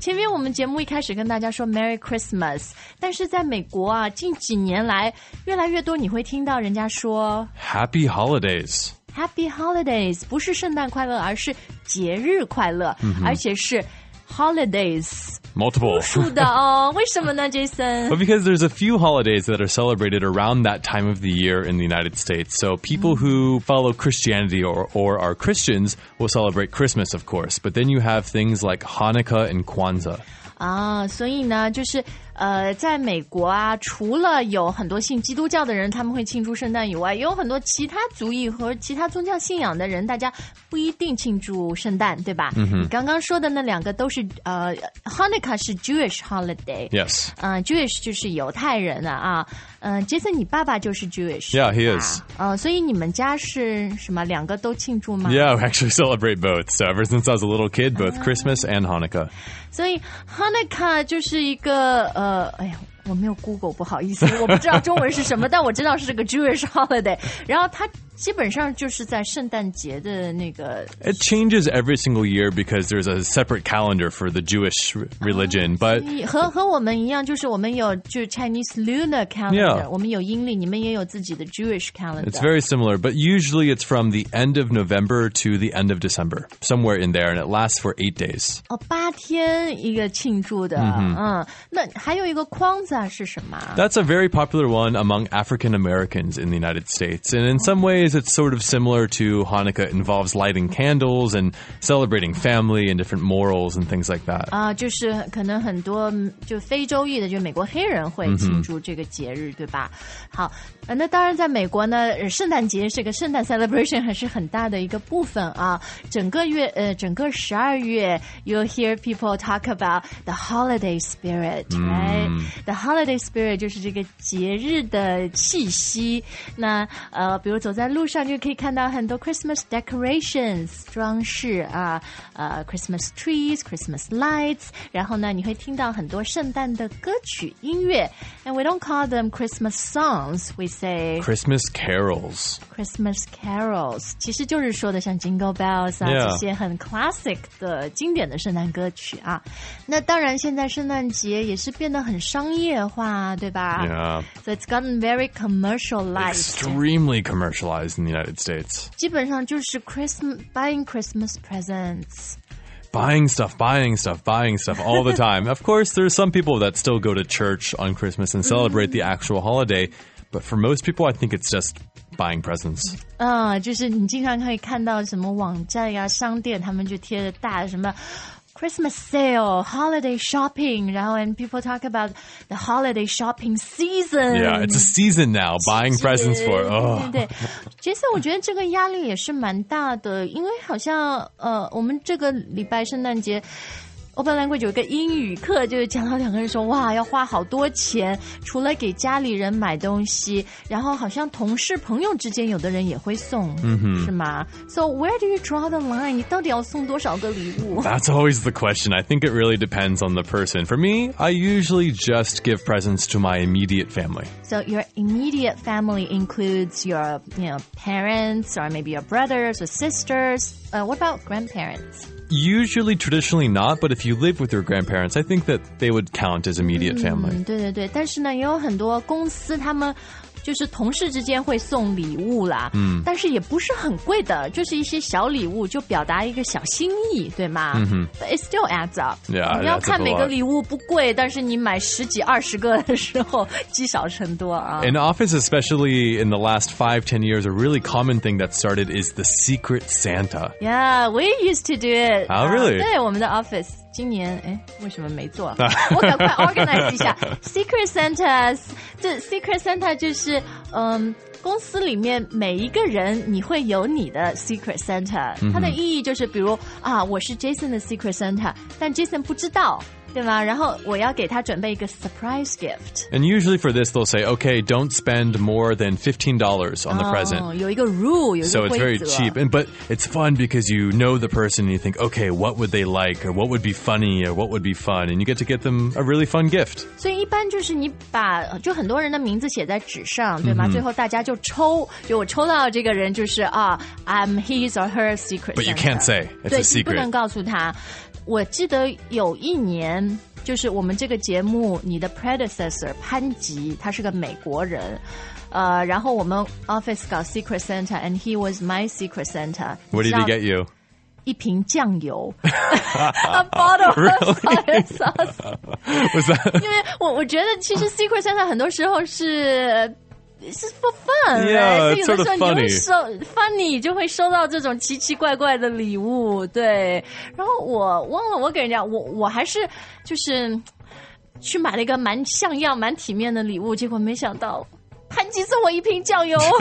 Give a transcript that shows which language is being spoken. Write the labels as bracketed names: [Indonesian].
[Chinese] 前面我们节目一开始跟大家说 Merry Christmas, 但是在美国啊，近几年来越来越多你会听到人家说 [English] Happy Holidays。 [Chinese] Happy Holidays, 不是圣诞快乐，而是节日快乐，嗯，而且是 holidays. [English] Multiple. [Chinese] 不数的哦，为什么呢 Jason? [English] Well, because there's a few holidays that are celebrated around that time of the year in the United States. So people who follow Christianity or are Christians will celebrate Christmas, of course. But then you have things like Hanukkah and Kwanzaa. [Chinese] 啊，所以呢，就是在美国啊，除了有很多信基督教的人他们会庆祝圣诞以外，也有很多其他族裔和其他宗教信仰的人大家不一定庆祝圣诞，对吧？嗯哼。刚刚说的那两个都是Hanukkah 是 Jewish holiday. [English] Yes. [Chinese] Jewish 就是犹太人啊。Jason, 你爸爸就是 Jewish. [English] Yeah, he is. [Chinese] 所以你们家是什么两个都庆祝吗 [English] ?Yeah, we actually celebrate both. So ever since I was a little kid, both Christmas and Hanukkah. [Chinese] 所以 Hanukkah 就是一个哎呀我没有 Google, 不好意思我不知道中文是什么但我知道是个 Jewish holiday. 然后他基本上就是在圣诞节的那个 [English] It changes every single year because there's a separate calendar for the Jewish religion, but [Chinese] 和我们一样就是我们有就 Chinese Lunar calendar, [English] yeah. [Chinese] 我们有阴历你们也有自己的 Jewish calendar. [English] It's very similar, but usually it's from the end of November to the end of December, somewhere in there, and it lasts for 8 days. [Chinese] 八天一个庆祝的、 mm-hmm. 那还有一个 Kwanzaa 是什么 [English] That's a very popular one among African Americans in the United States, and in someways, it's sort of similar to Hanukkah. It involves lighting candles and celebrating family and different morals and things like that. [Chinese] 就是可能很多就非洲裔的就美国黑人会庆祝这个节日、mm-hmm. 对吧好、那当然在美国呢圣诞节是个圣诞 celebration 还是很大的一个部分啊整个月整个十二月 [English] you'll hear people talk about the holiday spirit,、 [Chinese] mm-hmm. right? The holiday spirit 就是这个节日的气息那比如走在路上就可以看到很多 Christmas decorations, 装饰啊、Christmas trees, Christmas lights, 然后呢你会听到很多圣诞的歌曲音乐 [English] and we don't call them Christmas songs, we say Christmas carols. [Chinese] Christmas carols, 其实就是说的像 Jingle Bells 啊、 [English] yeah. [Chinese] 这些很 classic 的经典的圣诞歌曲啊。那当然现在圣诞节也是变得很商业化对吧 [English] Yeah. So it's gotten very commercialized. Extremely commercialized in the United States. [Chinese] 基本上就是 [English] buying Christmas presents. Buying stuff all the time. Of course, there are some people that still go to church on Christmas and celebrate、mm-hmm. the actual holiday, but for most people, I think it's just buying presents. [Chinese] 就是你经常可以看到什么网站呀、商店他们就贴着大什么Christmas sale, holiday shopping, [English] and people talk about the holiday shopping season. Yeah, it's a season now, buying presents for. [Chinese] 对对 Jason, 我觉得这个压力也是蛮大的因为好像我们这个礼拜圣诞节 Open Language 有一个英语课就是讲到两个人说哇要花好多钱除了给家里人买东西然后好像同事朋友之间有的人也会送、 mm-hmm. 是吗 [English] So where do you draw the line? [Chinese] 你到底要送多少个礼物 [English] That's always the question. I think it really depends on the person. For me, I usually just give presents to my immediate family. So your immediate family includes your you know, parents or maybe your brothers or sisters. What about grandparents? Usually, traditionally not, but if you live with your grandparents, I think that they would count as immediate family. [Chinese] 对对对，但是呢，也有很多公司他们就是同事之间会送礼物啦，但是也不是很贵的，就是一些小礼物，就表达一个小心意，对吗？ [English] But it still adds up. Yeah, [Chinese] 你要看每个礼物不贵，但是你买十几二十个的时候，积少成多啊。 [English] In office, especially in the last 5-10 years, a really common thing that started is the secret Santa. Yeah, we used to do it. Oh, really? [Chinese] 对，我们的 office. 今年为什么没做我赶快 organize 一下 Secret Santa 这 Secret Santa 就是公司里面每一个人你会有你的 Secret Santa 它的意义就是比如啊，我是 Jason 的 Secret Santa 但 Jason 不知道对吗？然后我要给他准备一个 surprise gift. [English] And usually for this, they'll say, okay, don't spend more than $15 on the present. [Chinese] 有一个 rule, 有一个规则。 [English] So it's very cheap. But it's fun because you know the person and you think, okay, what would they like? Or what would be funny? Or what would be fun? And you get to get them a really fun gift. [Chinese] 所以一般就是你把就很多人的名字写在纸上对吗、mm-hmm. 最后大家就抽就我抽到这个人就是、 [English] I'm his or her secret. But you can't say. It's a secret. [Chinese] 对，不能告诉他。我记得有一年就是我们这个节目你的 predecessor 潘吉他是个美国人然后我们 office 搞 secret center [English] and he was my secret center What did he get you? [Chinese] 一瓶酱油 [English] A bottle of soy sauce What's that? [Chinese] 因为 我觉得其实 secret center 很多时候是 [English] It's for fun, yeah, right? It's sort of funny. [Chinese] Funny, 就会收到这种奇奇怪怪的礼物，对。然后我忘了我给人家，我还是就是去买了一个蛮像样、蛮体面的礼物，结果没想到潘吉送我一瓶酱油。